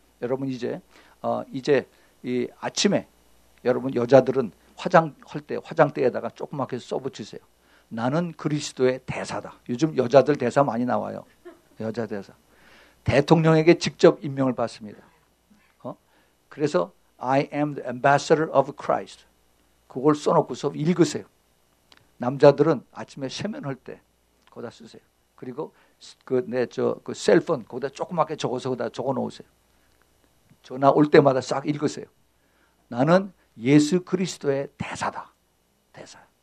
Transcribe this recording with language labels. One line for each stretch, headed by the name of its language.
Korean: 여러분 이제 이 아침에 여러분 여자들은 화장할 때 화장대에다가 조그맣게 써붙이세요. 나는 그리스도의 대사다. 요즘 여자들 대사 많이 나와요. 여자 대사. 대통령에게 직접 임명을 받습니다.
English: 그래서 I am the ambassador of Christ.
Korean: 그걸 써놓고서 읽으세요. 남자들은 아침에 세면할 때 거기다 쓰세요. 그리고 그 셀폰 거기다 조그맣게 적어서 거기다 적어놓으세요. 전화 올 때마다 싹 읽으세요. 나는 예수 그리스도의 대사다. 대사.